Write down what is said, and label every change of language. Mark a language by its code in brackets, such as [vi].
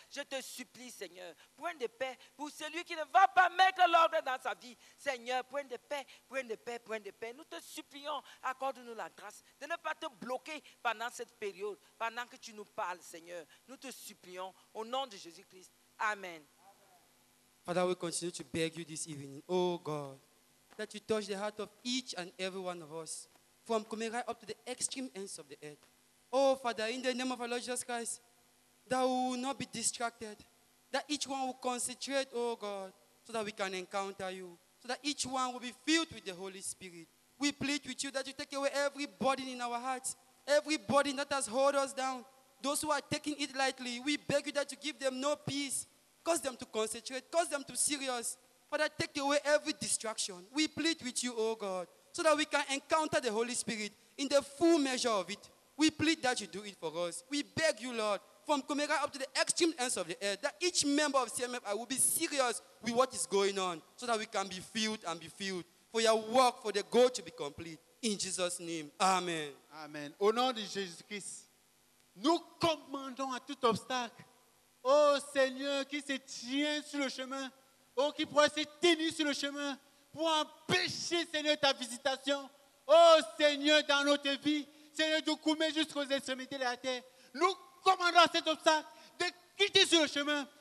[fr] Je te supplie, Seigneur, point de paix pour celui qui ne va pas mettre l'ordre dans sa vie. Seigneur, point de paix. Nous te supplions, accorde-nous la grâce de ne pas te bloquer pendant cette période, pendant que tu nous parles, Seigneur. Nous te supplions au nom de Jésus-Christ. Amen. [en] Father, we continue to beg you this evening, oh God, that you touch the heart of each and every one of us, from coming right up to the extreme ends of the earth. Oh Father, in the name of our Lord Jesus Christ, that we will not be distracted, that each one will concentrate, oh God, so that we can encounter you, so that each one will be filled with the Holy Spirit. We plead with you that you take away every burden in our hearts, every burden that has held us down. Those who are taking it lightly, we beg you that you give them no peace. Cause them to concentrate. Cause them to be serious. Father, take away every distraction. We plead with you, oh God, so that we can encounter the Holy Spirit in the full measure of it. We plead that you do it for us. We beg you, Lord, from Comega up to the extreme ends of the earth, that each member of CMFI will be serious with what is going on so that we can be filled and be filled for your work, for the goal to be complete. In Jesus' name, amen. Amen. [fr] Au nom de Jésus-Christ, nous commandons à tout obstacle. Oh Seigneur, qui se tient sur le chemin, oh qui pourrait se tenir sur le chemin pour empêcher, Seigneur, ta visitation. Oh Seigneur, dans notre vie, Seigneur, du Koumé jusqu'aux extrémités de la terre, nous commandons à cet obstacle de quitter sur le chemin.